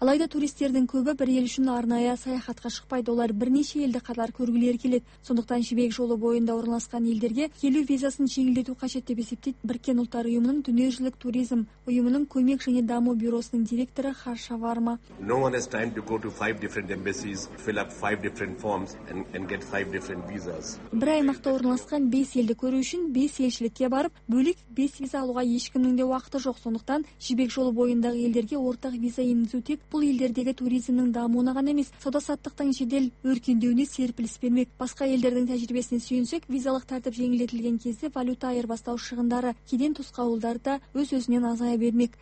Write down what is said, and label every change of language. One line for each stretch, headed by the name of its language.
Kazakh: Алайда туристердің көбі бір ел үшін арнайы саяхатқа шықпайды. Олар бірнеше елді қатар көргілері келеді. Сондықтан Жібек жолы бойында орналасқан елдерге келу визасын жеңілдету қажет деп есептейді Біріккен Ұлттар Ұйымының дүниежүзілік туризм ұйымының көмек және даму бюросының директоры Харша Варма.
English: No one has time to go to 5 different embassies, fill up 5 different forms and get 5 different visas.
Kazakh: Бір аймақта орналасқан 5 елді көру үшін 5 елшілікке барып, бөлік 5 виза алуға ешкімнің де уақыты жоқ. Сондықтан Жібек жолы бойындағы елдерге ортақ виза енгізу тек бұл елдердегі туризмнің дамуына ғана емес, сауда-саттықтың жедел өркендеуіне серпіліс бермек. Басқа елдердің тәжірибесіне сүйенсек, визалық тәртіп жеңілдетілген кезде валюта айырбастау шығындары, кеден тосқауылдары да өз-өзінен азая бермек.